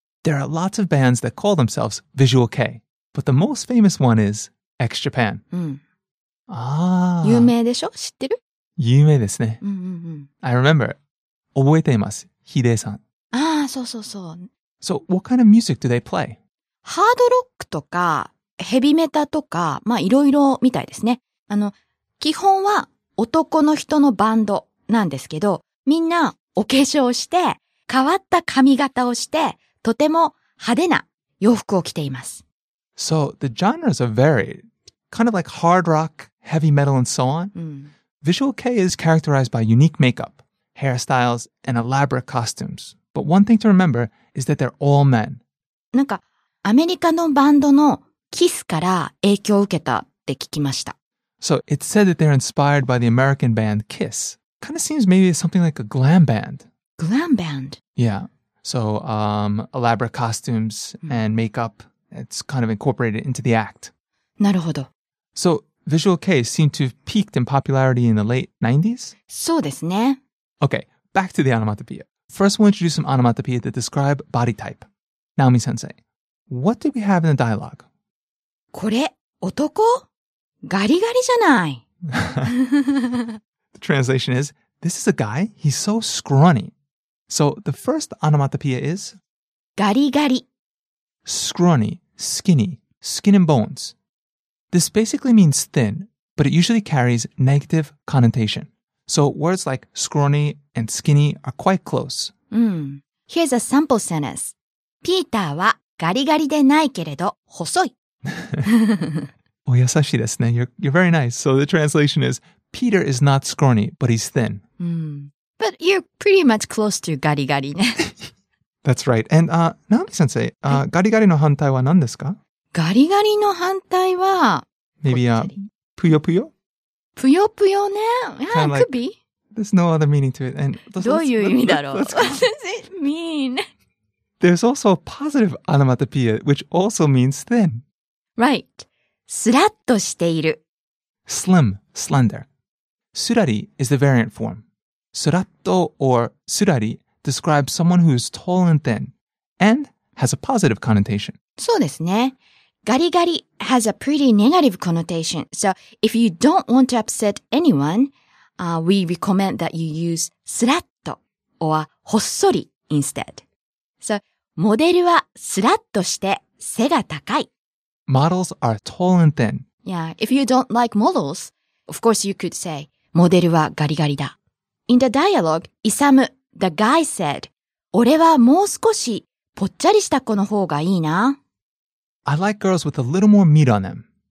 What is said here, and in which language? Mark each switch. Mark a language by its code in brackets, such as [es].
[en] There are lots of bands that call themselves Visual K, but the most famous one is X Japan. Ah. [ja] 有名でしょ？知ってる？有名ですね。 [en] I remember. [ja] 覚えています。ヒデさん。ああ、そうそうそう。 [en] So, what kind of music do they play? [ja] ハードロックとか、ヘビメタとか、まあ、いろいろみたいですね。あの、基本は男の人のバンドなんですけど、みんなお化粧して、変わった髪型をして、とても派手な洋服を着ています。 [en] So, the genres are varied. Kind of like hard rock, heavy metal, and so on.、Visual K is characterized by unique makeup, hairstyles, and elaborate costumes. But one thing to remember is that they're all men. [ja] なんか、アメリカのバンドのキスから影響を受けたって聞きました。 [en] So, it's said that they're inspired by the American band Kiss. Kind of seems maybe something like a glam band. Glam band? Yeah. So, elaborate costumes and makeup, it's kind of incorporated into the act. [ja] なるほど。 [en] So, Visual K seemed to have peaked in popularity in the late 90s? [ja] そうですね。 [en] Okay, back to the onomatopoeia. First, we'll introduce some onomatopoeia that describe body type. Naomi-sensei, what do we have in the dialogue? [ja] これ、男？ガリガリじゃない。 [en] The translation is, this is a guy, he's so scrawny. So, the first onomatopoeia is? [ja] ガリガリ。 [en] Scrawny, skinny, skin and bones. This basically means thin, but it usually carries negative connotation. So, words like scrawny and skinny are quite close. Here's a sample sentence. [ja] ピーターはガリガリでないけれど、細い。お優しいですね。 [en] You're very nice. So, the translation is, Peter is not scrawny, but he's thin. But you're pretty much close to ガリガリね。 That's right. And, Naomi-sensei, garigari [ja] の反対は何ですか? Garigari の反対は… [en] Maybe, puyo puyo? Puyo puyo, ne? Yeah, it could be. There's no other meaning to it. And, [ja] どういう意味だろう? [en] What does it mean? There's also a positive onomatopoeia, which also means thin. Right. [ja] スラッとしている。 [en] Slim, slender. Surari is the variant form. Suratto or surari describes someone who is tall and thin and has a positive connotation. [ja] そうですね。 [en] ガリガリ has a pretty negative connotation. So if you don't want to upset anyone, we recommend that you use suratto or ほっそり instead. [ja] So, モデルはスラッとして背が高い。 [en] Models are tall and thin. Yeah, if you don't like models, of course you could say, [ja] モデルはガリガリだ。 [en] In the dialogue, Isamu, the guy said, [ja] 俺はもう少しぽっちゃりした子の方がいいな。 [en] I like girls with a little more meat on them.